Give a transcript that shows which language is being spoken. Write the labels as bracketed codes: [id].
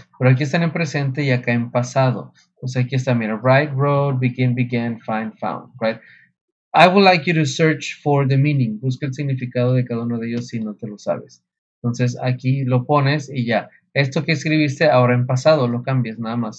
[es] Pero aquí están en presente y acá en pasado. Entonces aquí está, mira, [en] write, wrote, begin, began, find, found. Right? I would like you to search for the meaning. [es] Busca el significado de cada uno de ellos si no te lo sabes. Entonces aquí lo pones y ya. Esto que escribiste ahora en pasado lo cambias nada más.